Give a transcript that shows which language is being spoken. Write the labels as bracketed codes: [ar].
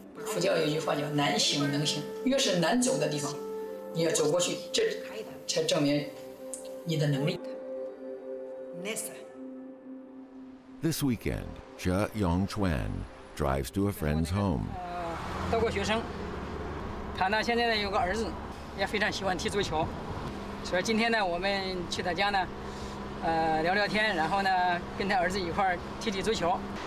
[zh] 佛教有句话叫难行能行，越是难走的地方你要走过去，这才证明你的能力。 [en] This weekend, Zhe Yongchuan drives to a friend's home. [zh] 德国学生，他呢现在呢有个儿子，也非常喜欢踢足球，所以今天呢我们去他家呢，聊聊天，然后呢跟他儿子一块踢踢足球。